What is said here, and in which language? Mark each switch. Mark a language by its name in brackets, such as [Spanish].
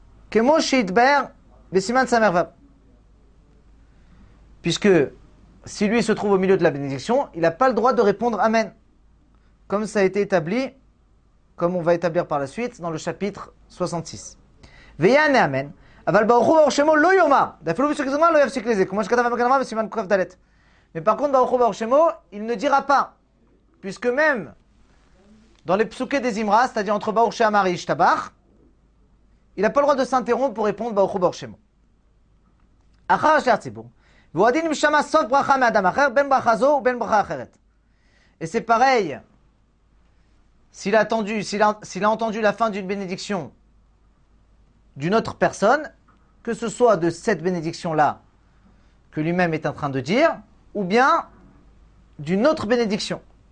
[Hebrew] Kemo shidber besiman samervab. [French] Puisque si lui se trouve au milieu de la bénédiction, il n'a pas le droit de répondre amen. Comme ça a été établi, comme on va établir par la suite dans le chapitre 66. [Hebrew] ויענה אמן, אבל ברוך הוא ברוך שמו לא יאמר, ואפילו בשביל זמן לא יפסיק לזה, כמו שכתב המגן אמר בסימן כ"ד. מפרקון ברוך הוא ברוך שמו, [French] il ne dira pas, puisque même dans les psukei des imra, c'est-à-dire entre ברוך שאמר et ישתבח, il n'a pas le droit de s'interrompre pour répondre [Hebrew] ברוך הוא ברוך שמו. אחר אשר הציבור, והוא הדין אם שמע סוף ברכה מאדם אחר, בין ברכה זו ובין ברכה אחרת. [French] Et c'est pareil, s'il a entendu la fin d'une bénédiction d'une autre personne, que ce soit de cette bénédiction-là que lui-même est en train de dire, ou bien d'une autre bénédiction.